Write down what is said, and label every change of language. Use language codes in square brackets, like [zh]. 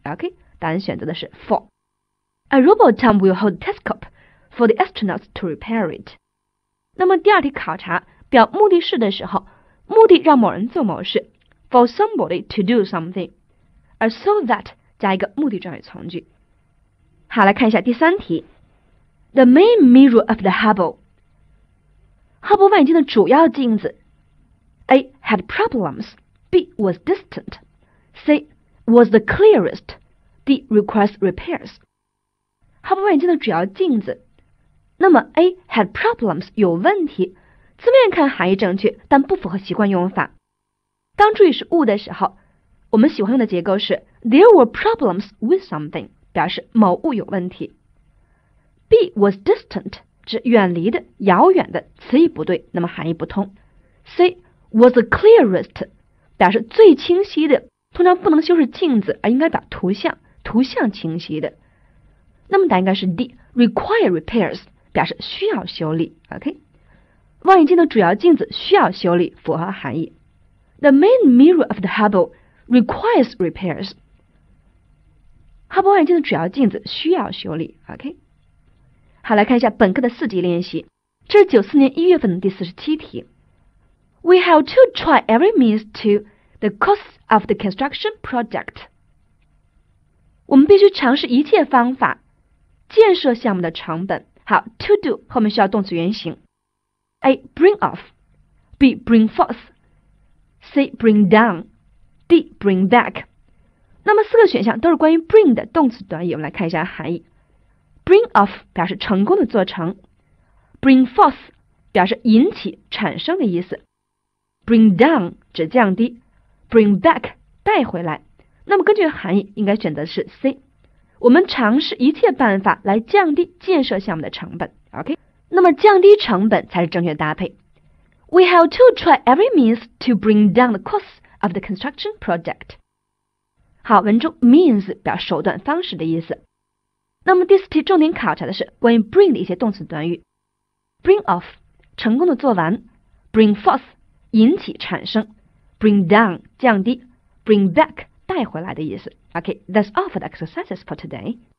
[zh] OK， 答案选择的是 for。 [en] A robot arm will hold the telescope for the astronauts to repair it。 [zh] 那么第二题考察表目的式的时候，目的让某人做某事 ， for somebody to do something，而 so that 加一个目的状语从句。好，来看一下第三题 ， the main mirror of the Hubble。 [en] 哈勃望远镜的主要镜子，A had problems，B was distant，C was the clearest，D requires repairs。 [zh] 哈勃望远镜的主要镜子，那么 A had problems 有问题，字面看含义正确，但不符合习惯用法。当注意是物的时候，我们喜欢用的结构是 there were problems with something，表示某物有问题。 B was distant 指远离的、遥远的，词义不对，那么含义不通。 C was the clearest 表示最清晰的，通常不能修饰镜子，而应该表图像，图像清晰的。那么答案应该是 D， require repairs 表示需要修理。 OK， 望远镜的主要镜子需要修理，符合含义。 [en] The main mirror of the Hubble requires repairs。 [zh] 哈勃望远镜的主要镜子需要修理。OK， 好，来看一下本课的四级练习，这是94年1月份的第47题。 [en] We have to try every means to the cost of the construction project。 [zh] 我们必须尝试一切方法建设项目的成本。好， to do 后面需要动词原形。 [en] A bring off, B bring forth, C bring down, D bring back。 [zh] 那么四个选项都是关于 bring 的动词短语，我们来看一下含义。 bring off 表示成功的做成， bring forth 表示引起产生的意思， bring down 指降低， bring back 带回来。那么根据含义应该选择是 C，我们尝试一切办法来降低建设项目的成本。 OK， 那么降低成本才是正确搭配。 [en] We have to try every means to bring down the cost of the construction project。 [zh] 好，文中 means 表手段方式的意思。那么第四题重点考察的是关于 bring 的一些动词短语。 bring off 成功的做完， bring forth 引起产生， bring down 降低， bring back 带回来的意思。 Okay, that's all for the exercises for today.